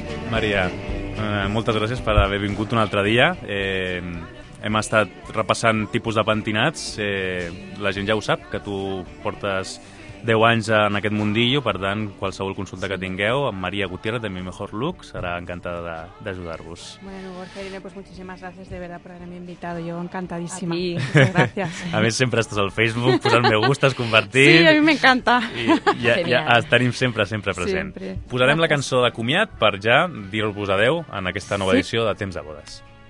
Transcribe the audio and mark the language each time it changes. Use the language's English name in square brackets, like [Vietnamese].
[Catalan] Maria, moltes gràcies per haver vingut un altre dia. Hem estat repassant tipus de pentinats. La gent ja ho sap, que tu portes 10 anys en aquest mundillo, per tant, qualsevol consulta que tingueu, amb Maria Gutiérrez, de Mi Mejor Look, serà encantada d'ajudar-vos. [Spanish] Bueno, Borja, Irene, pues muchísimas gracias de verdad por haberme invitado. Yo encantadísima. A ti. Gracias. [Catalan] A més, sempre estàs al Facebook, posant me gustes, compartint. Sí, a mi m'encanta. I ja tenim sempre present. Sempre. Posarem la cançó de comiat per ja dir-vos adeu en aquesta nova, sí, edició de Temps de Bodes.